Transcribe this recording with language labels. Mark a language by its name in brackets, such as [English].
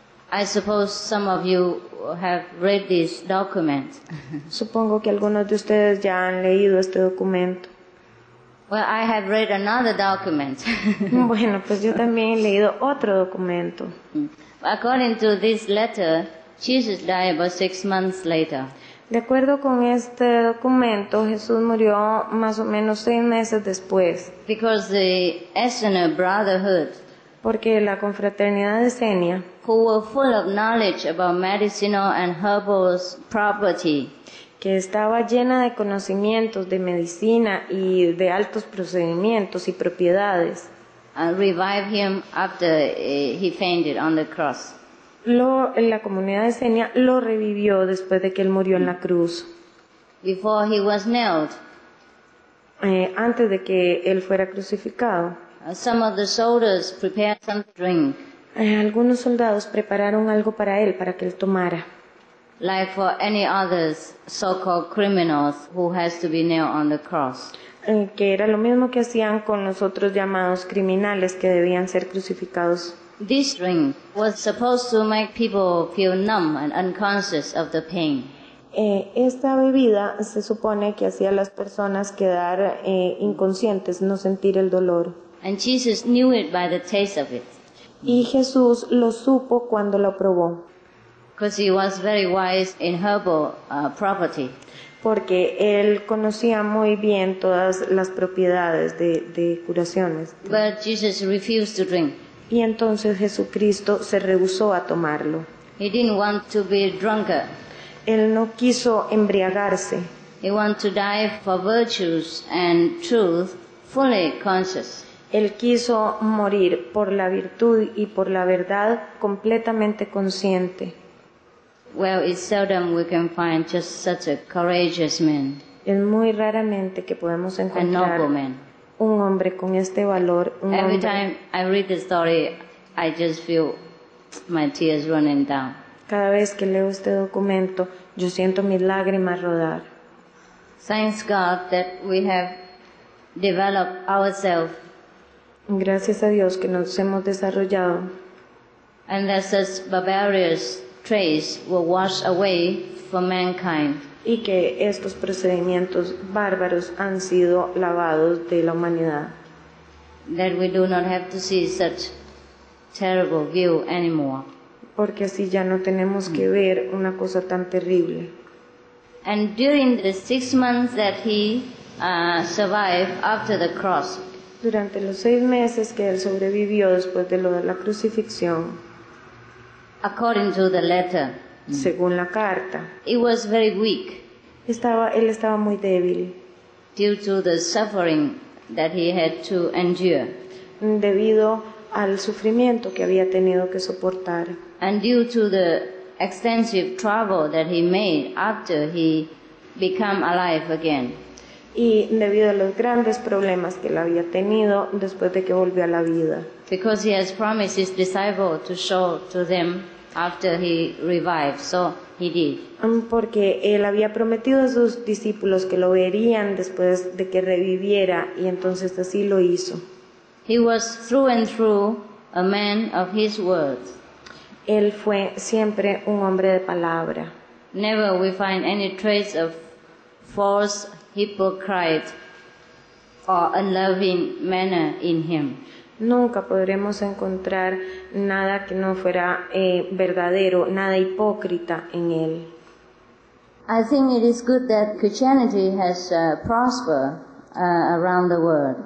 [English] I suppose some of you have read this document. [Spanish] Supongo que algunos de ustedes ya han leído este documento. [English] Well, I have read another document. [Spanish] Bueno, pues yo también he leído otro documento. [English] According to this letter, Jesus died about 6 months later. [Spanish] De acuerdo con este documento, Jesús murió más o menos 6 meses después. [English] Because the Asana Brotherhood, [Spanish] porque la confraternidad de Esenia, [English] who were full of knowledge about medicinal and herbal property, [Spanish] que estaba llena de conocimientos de medicina y de altos procedimientos y propiedades, [English] revived him after he fainted on the cross. [Spanish] La comunidad Esenia lo revivió después de que él murió en la cruz. [English] Before he was nailed, [Spanish] antes de que él fuera crucificado, [English] some of the soldiers prepared some drink. [Spanish] Algunos soldados prepararon algo para él, para que él tomara. [English] Like for any other so-called criminals who has to be nailed on the cross. [Spanish] Que era lo mismo que hacían con los otros llamados criminales que debían ser crucificados. [English] This drink was supposed to make people feel numb and unconscious of the pain. [Spanish] Esta bebida se supone que hacía a las personas quedar inconscientes, no sentir el dolor. [English] And Jesus knew it by the taste of it. [Spanish] Y Jesús lo supo cuando lo probó. [English] Because he was very wise in herbal property. [Spanish] Porque él conocía muy bien todas las propiedades de curaciones. [English] But Jesus refused to drink. [Spanish] Y entonces Jesucristo se rehusó a tomarlo. [English] He didn't want to be drunker. [Spanish] Él no quiso embriagarse. [English] He wanted to die for virtues and truth, fully conscious. [Spanish] Él quiso morir por la virtud y por la verdad completamente consciente. [English] Well, it's seldom we can find just such a courageous man. [Spanish] Es muy raramente que podemos encontrar un hombre con este valor. [English] Every time I read the story, I just feel my tears running down. [Spanish] Cada vez que leo este documento, yo siento mis lágrimas rodar. [English] Thanks God that we have developed ourselves. [Spanish] Gracias a Dios que nos hemos desarrollado. [English] And that such barbarous traits were washed away for mankind. [Spanish] Y que estos procedimientos bárbaros han sido lavados de la humanidad. [English] That we do not have to see such terrible view anymore. [Spanish] Porque así ya no tenemos que ver una cosa tan terrible. [English] And during the 6 months that he survived after the cross. [Spanish] Durante los 6 meses que él sobrevivió después de lo de la crucifixión. [English] According to the letter. [Spanish] Según la carta. [English] He was very weak. [Spanish] Él estaba muy débil. [English] Due to the suffering that he had to endure. [Spanish] Debido al sufrimiento que había tenido que soportar. [English] And due to the extensive travel that he made after he became alive again. [Spanish] Y debido a los grandes problemas que él había tenido después de que volvió a la vida. [English] Because he has promised his disciples to show to them after he revived, so he did. [Spanish] Porque él había prometido a sus discípulos que lo verían después de que reviviera, y entonces así lo hizo. [English] He was through and through a man of his words. [Spanish] Él fue siempre un hombre de palabra. [English] Never we find any trace of false hypocrite or unloving manner in him. [Spanish] Nunca podremos encontrar nada que no fuera verdadero, nada hipócrita en él. [English] I think it is good that Christianity has prospered around the world.